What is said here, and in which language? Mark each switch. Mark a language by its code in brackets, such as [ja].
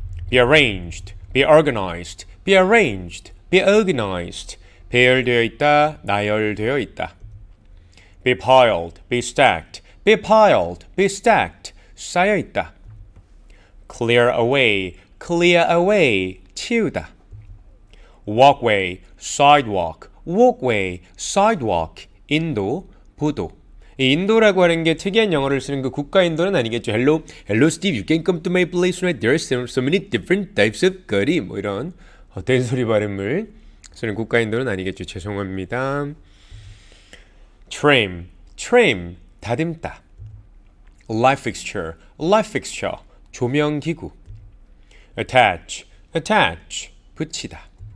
[en] Be arranged, be organized. Be arranged, be organized. [ko] 배열되어 있다, 나열되어 있다. [en] Be piled, be stacked. Be piled, be stacked, [ko] 쌓여있다. [en] Clear away, clear away, [ko] 치우다. [en] Walkway, sidewalk, walkway, sidewalk, [ko] 인도, 보도. 이 인도라고 하는 게 특이한 영어를 쓰는 그 국가 인도는 아니겠죠. [en] Hello, hello Steve, you can come to my place right there. There are so many different types of curry. [ko] 뭐 이런 헛된 소리 발음을 쓰는 국가 인도는 아니겠죠. 죄송합니다. [en] Trim, trim, [ko] 다듬다. [en] Light fixture, light fixture, [ko] 조명기구. [en] Attach, attach, [ko] 붙이다.